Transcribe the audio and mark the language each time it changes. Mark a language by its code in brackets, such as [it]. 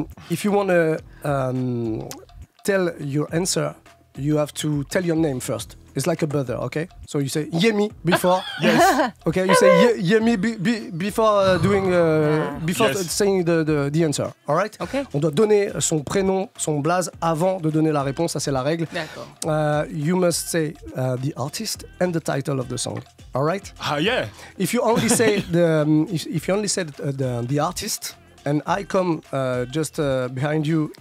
[en] If you want to tell your answer, you have to tell your name first. It's like a brother, okay? So you say Yemi before. Yes. Okay, you say Yemi before doing saying the answer. All right? Okay. [fr] On doit donner son prénom, son blaze avant de donner la réponse, ça c'est la règle. D'accord. [en] You must say the artist and the title of the song. All right? Yeah. If you only say the artist, and I come behind you